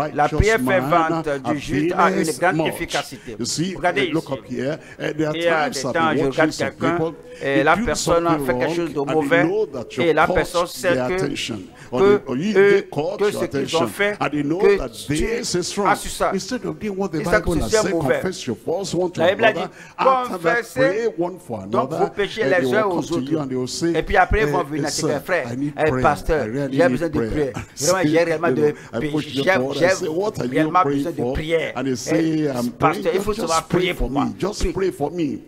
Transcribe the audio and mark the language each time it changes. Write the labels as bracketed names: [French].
[French] La prière fervente du juste a une grande efficacité. Regardez ici. Il y a des temps, je regarde quelqu'un et la personne fait quelque chose de mauvais et la personne sait que ce qu'ils ont fait, que tu as su ça. [English] Instead of doing what the Bible has said, confess your faults one to another. [French] Confessez donc vos péchés les uns aux autres. Et puis après, ils vont venir te dire, frère, pasteur, j'ai besoin de prière. Vraiment, j'ai réellement de péché. J'ai réellement besoin de prière. Pasteur, il faut savoir prier pour moi. [English] Just pray for me.